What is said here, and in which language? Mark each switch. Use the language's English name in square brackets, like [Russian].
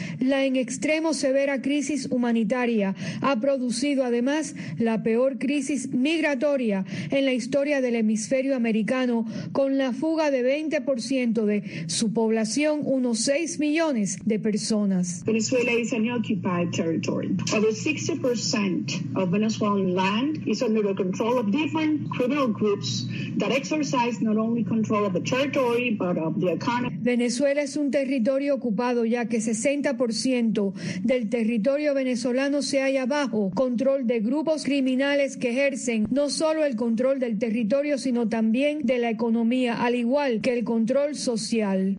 [Spanish] La en extremo severa crisis humanitaria ha producido además la peor crisis migratoria en la historia del hemisferio americano, con la fuga de 20% de su población, unos 6 millones de personas. [English] Venezuela is an occupied territory. Over 60% of Venezuelan land is under the control of different criminal groups that exercise not only control of the territory but of the economy. [Spanish] Venezuela es un territorio ocupado, ya que 60% del territorio venezolano se halla bajo control de grupos criminales que ejercen no solo el control del territorio, sino también de la economía, al igual que el control social.